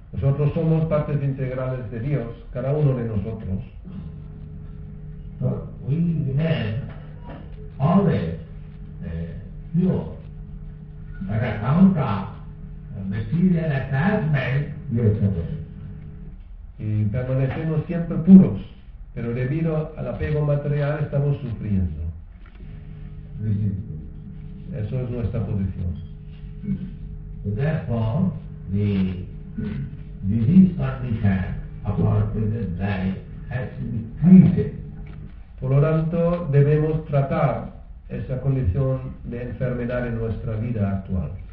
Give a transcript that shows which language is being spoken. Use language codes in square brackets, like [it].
[es] nosotros somos partes integrales de Dios, cada uno de nosotros. [en] But we have always pure, but account of material attachment, yes, [es] y permanecemos siempre puros, pero debido al apego material estamos sufriendo. Eso es nuestra posición. [en] Therefore, the disease condition of our present life has to be treated. [es] Por lo tanto, debemos tratar esa condición de enfermedad en nuestra vida actual.